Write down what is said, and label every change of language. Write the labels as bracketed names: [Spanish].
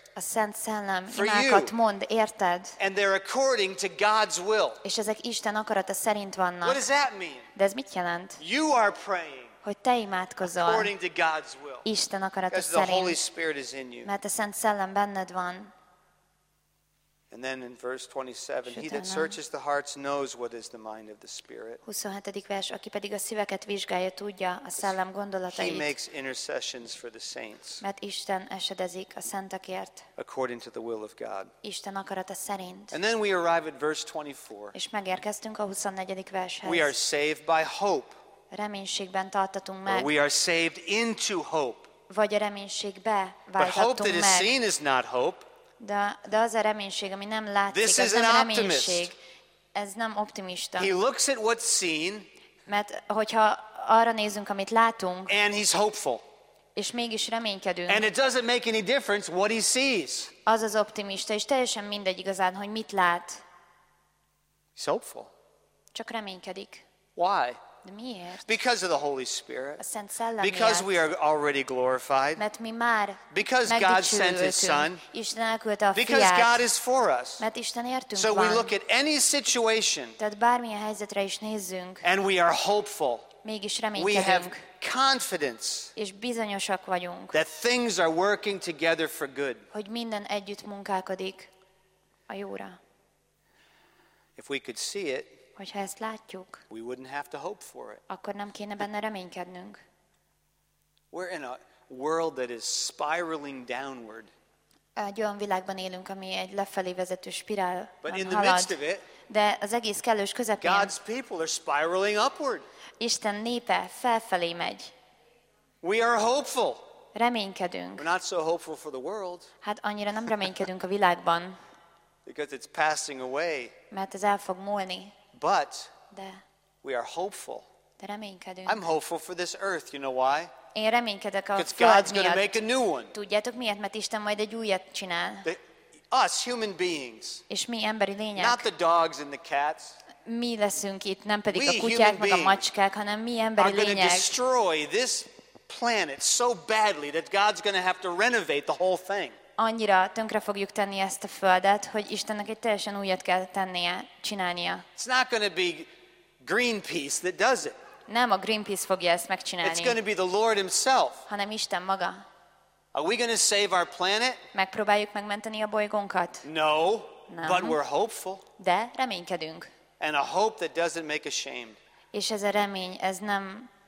[Hungarian] A Szent Szellem imákat mond, érted? [English] And they're according to God's will. [Hungarian] És ezek Isten akarata szerint vannak. [English] What does that mean? [Hungarian] De ez mit jelent? [English] You are praying. [Hungarian] Hogy te imádkozol. [English] According to God's will. [Hungarian] Isten akarata [English] the [Hungarian] szerint. [English] Holy Spirit is in you. [Hungarian] Mert a Szent Szellem benned van. [English] And then in verse 27, he that searches the hearts knows what is the mind of the Spirit. [Hungarian] 27. vers, aki pedig a szíveket vizsgálja, tudja a szellem gondolatait. [English] He makes intercessions for the saints. [Hungarian] Mert Isten esedezik a szentekért. [English] According to the will of God. [Hungarian] Isten akarata szerint. [English] And then we arrive at verse 24. [Hungarian] És megérkeztünk a 24. vershez. [English] We are saved by hope. [Hungarian] Reménységben tartatunk meg. [English] Or we are saved into hope. [Hungarian] Vagy a reménységbe váltottunk meg. [English] But hope that is seen is not hope. [Hungarian] De az a reménység, ami nem látszik, ez nem reménység. Ez nem optimista. [English] He looks at what's seen, [Hungarian] mert hogyha arra nézünk, amit látunk, [English] and he's hopeful. [Hungarian] És mégis reménykedünk. [English] And it doesn't make any difference what he sees. [Hungarian] Az az optimista, és teljesen mindegy igazán, hogy mit lát. [English] He's hopeful. [Hungarian] Csak reménykedik. [English] Why? [Hungarian] De miért? [English] Because of the Holy Spirit. [Hungarian] A Szent Szellem miatt. [English] Because we are already glorified. [Hungarian] Mert mi már [English] Because God sent his son. [Hungarian] Isten elküldte a fiát. [English] Because God is for us. [Hungarian] Mert Isten értünk van. [English] So we look at any situation. [Hungarian] Tehát bármilyen helyzetre is nézzünk. [English] And we are hopeful. [Hungarian] Mégis reménykedünk. [English] We have confidence. [Hungarian] És bizonyosak vagyunk. [English] That things are working together for good. [Hungarian] Hogy minden együtt munkálkodik a jóra. [English] If we could see it. [Hungarian] Hogyha ezt látjuk, [English] we wouldn't have to hope for it. [Hungarian] Akkor nem kéne benne reménykednünk. [English] We're in a world that is spiraling downward. [Hungarian] Egy olyan világban élünk, ami egy lefelé vezető spirál. [English] But in the midst of it, [Hungarian] de az egész kellős közepén, [English] God's people are spiraling upward. [Hungarian] Isten népe felfelé megy. [English] We are hopeful. [Hungarian] Reménykedünk. [English] We're not so hopeful for the world. [Hungarian] Hát annyira nem reménykedünk a világban. [English] Because it's passing away. [Hungarian] Mert ez el fog múlni. [English] But [Hungarian] de, [English] we are hopeful. [Hungarian] De reménykedünk. [English] I'm hopeful for this earth, you know why? [Hungarian] Én reménykedek a [English] Because God's going to make a new one. [Hungarian] Tudjátok miért? Mert Isten majd egy újat csinál. [English] Us human beings. [Hungarian] És mi emberi lények. [English] Not the dogs and the cats. [Hungarian] Mi leszünk itt, nem pedig a kutyák meg a macskák, hanem mi emberi lények. [English] Are going to destroy this planet so badly that God's going to have to renovate the whole thing. [Hungarian] Annyira tönkre fogjuk tenni ezt a földet, hogy Istennek egy teljesen újat kell tennie, csinálnia. [English] It's not going to be Greenpeace that does it. [Hungarian] Nem a Greenpeace fogja ezt megcsinálni. [English] It's going to be the Lord himself. [Hungarian] Hanem Isten maga. [English] Are we going to save our planet? [Hungarian] Megpróbáljuk megmenteni a bolygónkat? [English] No. [Hungarian] Nem. [English] But we're hopeful. [Hungarian] De reménykedünk. [English] And a hope that doesn't make ashamed. [Hungarian] És ez a remény, ez nem